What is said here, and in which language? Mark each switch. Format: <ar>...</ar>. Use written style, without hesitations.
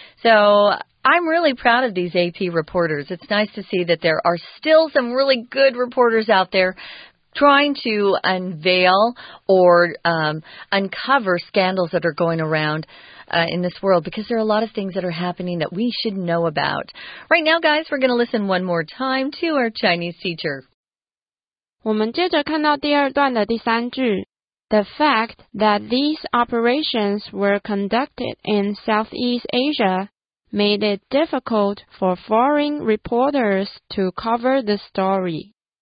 <en>So I'm really proud of these AP reporters. It's nice to see that there are still some really good reporters out there trying to unveil or uncover scandals that are going around in this world, because there are a lot of things that are happening that we should know about. Right now, guys, we're going to listen one more time to our Chinese teacher.</en> <zh>我们接着看到第二段的第三句。</zh> <en>The fact that these operations were conducted in Southeast Asia made it difficult for foreign reporters to cover the story.</en>